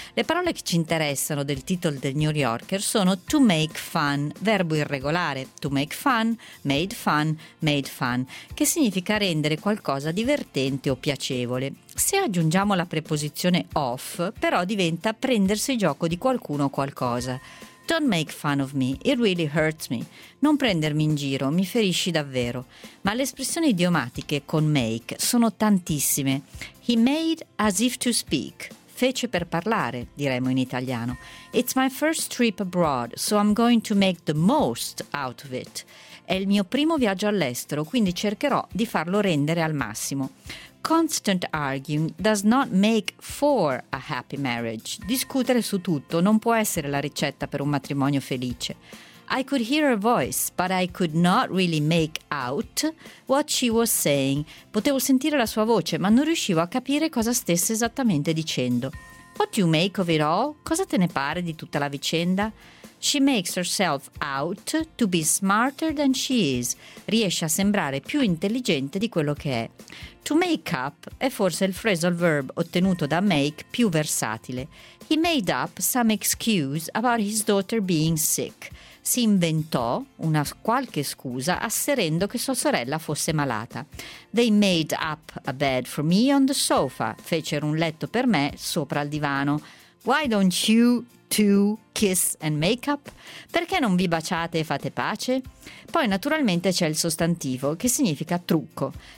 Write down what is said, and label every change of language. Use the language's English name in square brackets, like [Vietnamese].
[Italian] Le parole che ci interessano del titolo del New Yorker sono to make fun, verbo irregolare, to make fun, made fun, made fun, che significa rendere qualcosa divertente o piacevole. Se aggiungiamo la preposizione of, però diventa prendersi gioco di qualcuno o qualcosa. [English] Don't make fun of me, it really hurts me. [Italian] Non prendermi in giro, mi ferisci davvero. Ma le espressioni idiomatiche con make sono tantissime. [English] He made as if to speak. [Italian] Fece per parlare, diremmo in italiano. [English] It's my first trip abroad, so I'm going to make the most out of it. [Italian] È il mio primo viaggio all'estero, quindi cercherò di farlo rendere al massimo. [English] Constant arguing does not make for a happy marriage. [Italian] Discutere su tutto non può essere la ricetta per un matrimonio felice. [English] I could hear her voice, but I could not really make out what she was saying. [Italian] Potevo sentire la sua voce, ma non riuscivo a capire cosa stesse esattamente dicendo. [English] What do you make of it all? [Italian] Cosa te ne pare di tutta la vicenda? [English] She makes herself out to be smarter than she is. [Italian] Riesce a sembrare più intelligente di quello che è. To make up è forse il phrasal verb ottenuto da make più versatile. [English] He made up some excuse about his daughter being sick. [Italian] Si inventò una qualche scusa asserendo che sua sorella fosse malata. [English] They made up a bed for me on the sofa. [Italian] Fecero un letto per me sopra al divano. [English] Why don't you two kiss and make up? [Italian] Perché non vi baciate e fate pace? Poi naturalmente c'è il sostantivo, che significa trucco.